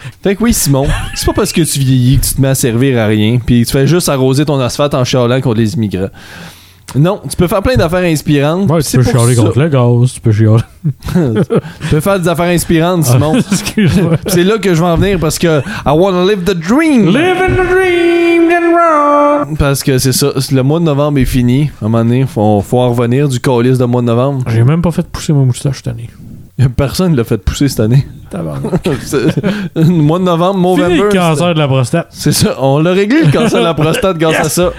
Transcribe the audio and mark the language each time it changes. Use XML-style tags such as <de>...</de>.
<fr>Fait que oui, Simon, c'est pas parce que tu vieillis que tu te mets à servir à rien. Puis tu fais juste arroser ton asphalte en chialant contre les immigrants. Non, tu peux faire plein d'affaires inspirantes. Ouais, tu peux chialer contre le gaz, tu peux chialer. Tu peux faire des affaires inspirantes, Simon. Excuse-moi. C'est là que je vais en venir parce que</fr> <en>I wanna live the dream. Living the dream, getting wrong.</en> <fr>Parce que c'est ça, le mois de novembre est fini. À un moment donné, faut en revenir du colis de mois de novembre. J'ai même pas fait pousser ma moustache cette année. Personne ne l'a fait pousser cette année. Tabarnak. Mois de novembre, Movember. Fini le cancer c'était... de la prostate. C'est ça, on l'a réglé le cancer de la prostate grâce à ça.</fr>